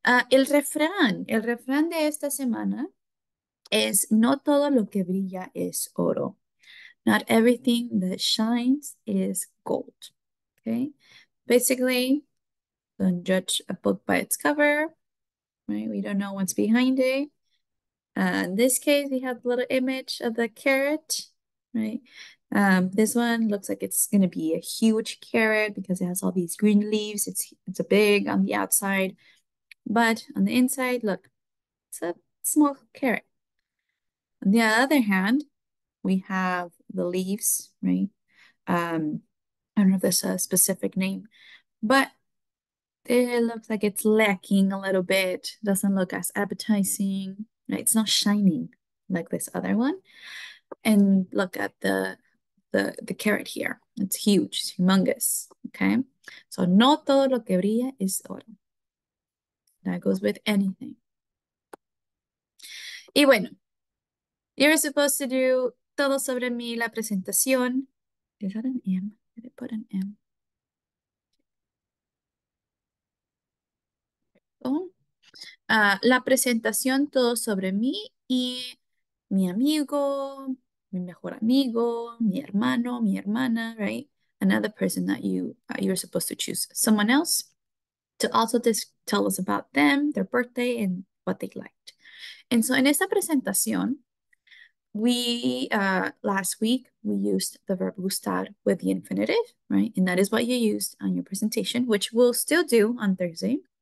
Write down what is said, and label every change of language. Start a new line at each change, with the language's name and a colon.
Spanish: El refrán de esta semana es no todo lo que brilla es oro.
English: Not everything that shines is gold. Okay. Basically, don't judge a book by its cover. Right? We don't know what's behind it. In this case, we have the little image of the carrot, right? This one looks like it's gonna be a huge carrot because it has all these green leaves. It's a big on the outside. But on the inside, look, it's a small carrot. On the other hand, we have the leaves, right? I don't know if there's a specific name, but it looks like it's lacking a little bit. Doesn't look as appetizing, right? It's not shining like this other one. And look at the carrot here. It's huge, it's humongous, okay?
Spanish: So no todo lo que brilla es oro.
English: That goes with anything.
Spanish: Y bueno,
English: you're supposed to do
Spanish: todo sobre mí la presentación.
English: Is that an M? Did it put an M?
Spanish: La presentación todo sobre mí y mi amigo, mi mejor amigo, mi hermano, mi hermana, right?
English: Another person that you're supposed to choose. Someone else to also just tell us about them, their birthday, and what they liked. And so in
Spanish: esta presentación,
English: last week, we used the verb gustar with the infinitive, right? And that is what you used on your presentation, which we'll still do on Thursday.